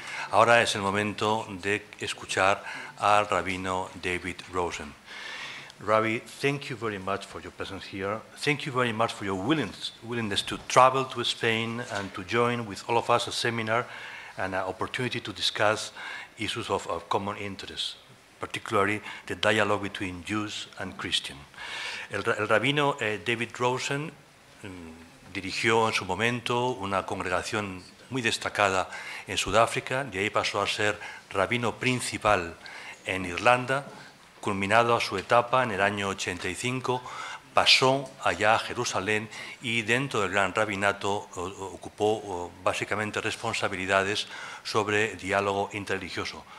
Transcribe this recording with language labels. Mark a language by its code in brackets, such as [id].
[es] Ahora es el momento de escuchar al Rabino David Rosen. [en] Rabbi, thank you very much for your presence here. Thank you very much for your willingness to travel to Spain and to join with all of us a seminar and an opportunity to discuss issues of common interest, particularly the dialogue between Jews and Christians. [es] El Rabino David Rosen dirigió en su momento una congregación muy destacada en Sudáfrica, de ahí pasó a ser Rabino Principal en Irlanda, culminado a su etapa en el año 85, pasó allá a Jerusalén y dentro del Gran Rabinato ocupó básicamente responsabilidades sobre diálogo interreligioso.